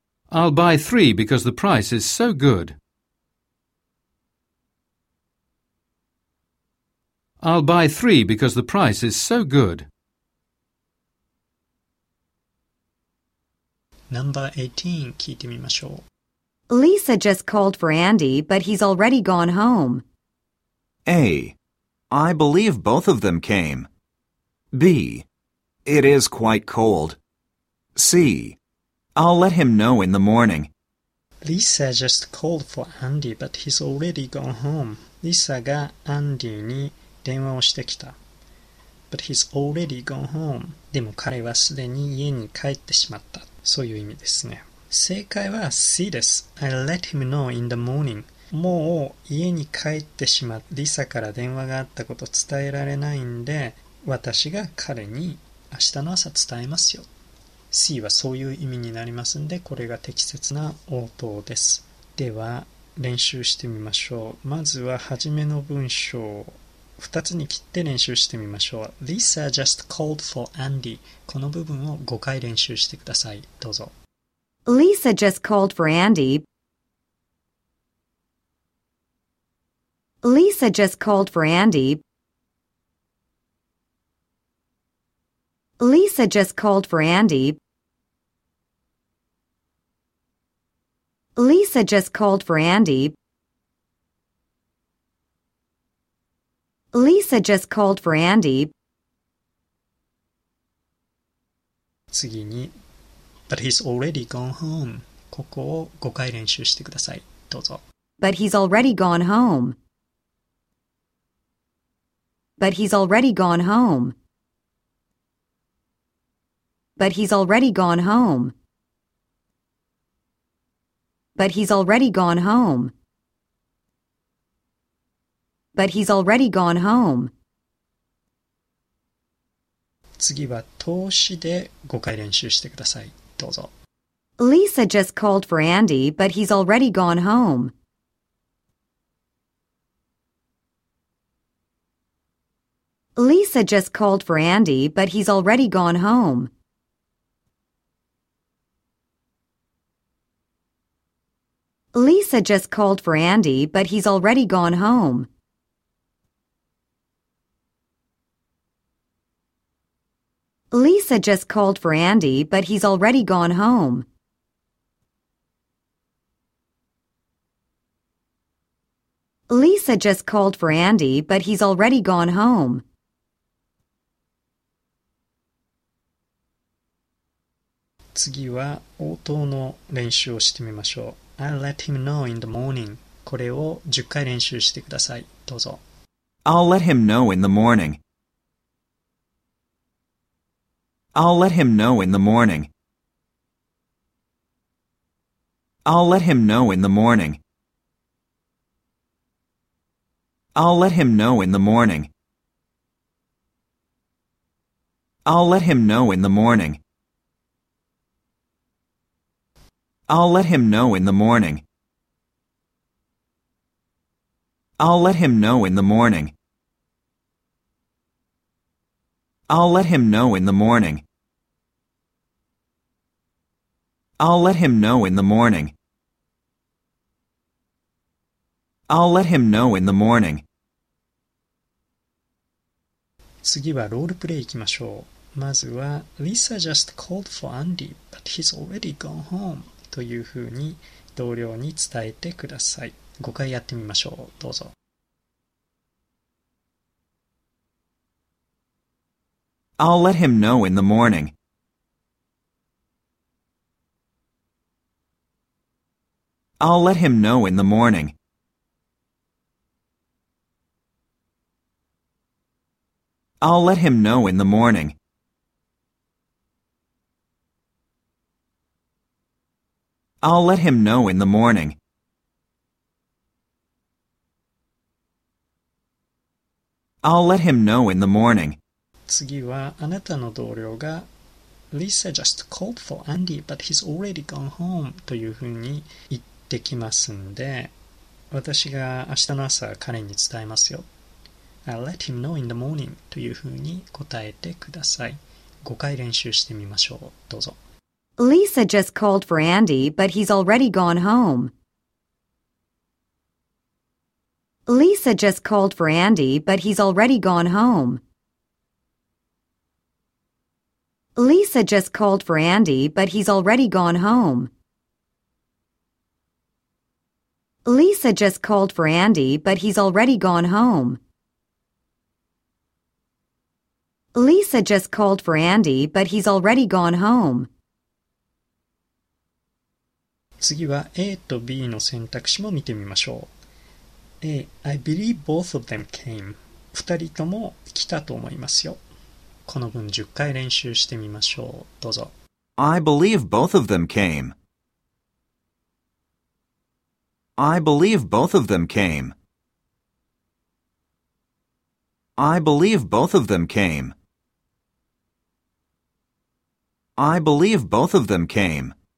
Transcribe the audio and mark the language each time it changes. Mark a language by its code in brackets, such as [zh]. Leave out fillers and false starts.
[en] I'll buy three because the price is so good. I'll buy three because the price is so good. Number 18, [ja] 聞いてみましょう。 [en] Lisa just called for Andy, but he's already gone home. A. I believe both of them came. B. It is quite cold. C. I'll let him know in the morning. Lisa just called for Andy, but he's already gone home. [ja] Lisa が Andy に電話をしてきた。 [en] But he's already gone home. [ja] でも彼はすでに家に帰ってしまった。そういう意味ですね。正解は C です。 [en] I'll let him know in the morning. [ja] もう家に帰ってしまって、リサから電話があったこと伝えられないんで、私が彼に明日の朝伝えますよ。 C はそういう意味になりますんで、これが適切な応答です。では、練習してみましょう。まずは初めの文章を2つに切って練習してみましょう。 [en] Lisa just called for Andy. [ja] この部分を5回練習してください。どうぞ。 [en] Lisa just called for Andy. Lisa just called for Andy. Lisa just called for Andy. Lisa just called for Andy. Lisa just called for Andy. [ja] 次に、 [en] But he's already gone home. [ja] ここを5回練習してください。どうぞ。 [en] But he's already gone home. But he's already gone home. But he's already gone home. But he's already gone home. But he's already gone home. [ja] 次は通しで5回練習してください。どうぞ。 [en] Lisa just called for Andy, but he's already gone home. Lisa just called for Andy, but he's already gone home. Lisa just called for Andy, but he's already gone home. Lisa just called for Andy, but he's already gone home. Lisa just called for Andy, but he's already gone home. I'll let him know in the morning. [ja] これを10回練習してください。どうぞ。 [en] I'll let him know in the morning. I'll let him know in the morning. I'll let him know in the morning. I'll let him know in the morning. I'll let him know in the morning. I'll let him know in the morning. I'll let him know in the morning. I'll let him know in the morning. I'll let him know in the morning. I'll let him know in the morning. [ja] 次はロールプレイ行きましょう。まずは、 [en] Lisa just called for Andy, but he's already gone home. [ja] というふうに同僚に伝えてください。 5回やってみましょう。どうぞ。 [en] I'll let him know in the morning. I'll let him know in the morning. I'll let him know in the morning. I'll let him know in the morning. I'll let him know in the morning. [ja] 次はあなたの同僚が [en] Lisa just called for Andy, but he's already gone home [ja] というふうに言ってきますんで、私が明日の朝彼に伝えますよ。 [en] I'll let him know in the morning [ja] というふうに答えてください。 5回練習してみましょう。どうぞ。 [en] Lisa just called for Andy, but he's already gone home. Lisa just called for Andy, but he's already gone home. Lisa just called for Andy, but he's already gone home. Lisa just called for Andy, but he's already gone home. Lisa just called for Andy, but he's already gone home. [ja] 次は A と B の選択肢も見てみましょう。 [en] A, I believe both of them came. [ja] 二人とも来たと思いますよ。この文10回練習してみましょう。どうぞ。 [en] I believe both of them came. I believe both of them came. I believe both of them came. I believe both of them came.